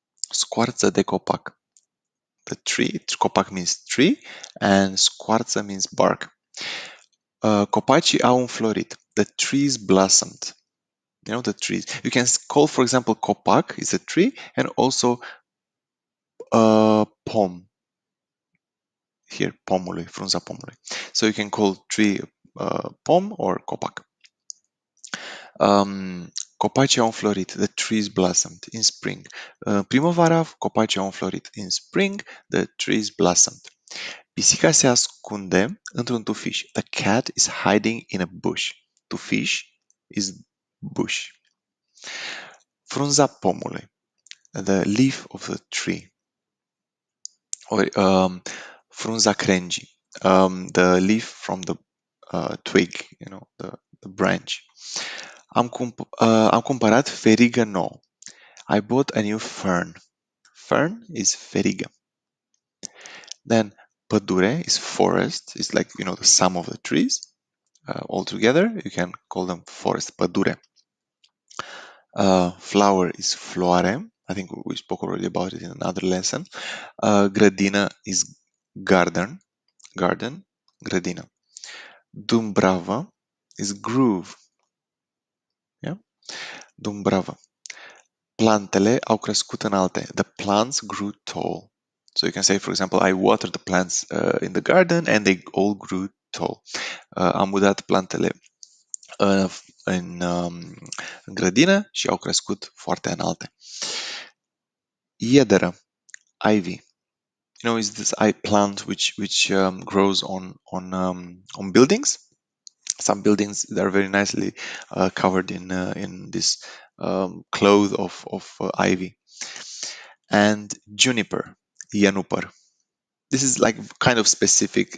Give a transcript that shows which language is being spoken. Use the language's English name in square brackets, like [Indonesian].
[Romanian] Scoarța de copac, [English] the tree. Copac means tree and scoarța means bark. [Romanian] Copacii au înflorit, [English] the trees blossomed. You know, the trees. You can call, for example, copac is a tree and also pom. Here, [Romanian] pomului, frunza pomului. [English] So you can call tree pom or copac. [Romanian] Copacii au înflorit, [English] the trees blossomed in spring. [Romanian] Primăvara, copacii au înflorit. [English] In spring, the trees blossomed. [Romanian] Pisica se ascunde într-un tufiș. [English] The cat is hiding in a bush. Tufiș is bush. [Romanian] Frunza pomului, [English] the leaf of the tree. Or [Romanian] frunza crengii, [English] the leaf from the twig, you know, the branch. [Romanian] Am cumpărat ferigă nouă. [English] I bought a new fern. Fern is ferigă. Then pădure is forest. It's like, you know, the sum of the trees. All together, you can call them forest, pădure. Flower is floare. I think we spoke already about it in another lesson. Grădină is garden. Garden, grădină. Dumbrava is groove. [Romanian] Dumbrava. Plantele au crescut înalte. [English] The plants grew tall. So you can say, for example, I watered the plants in the garden and they all grew tall. [Romanian] Am udat plantele în grădină și au crescut foarte înalte. Iedera, ivy. [English] You know, is this plant which grows on buildings. Some buildings they are very nicely covered in this cloth of ivy. And juniper, ianupăr. This is like kind of specific.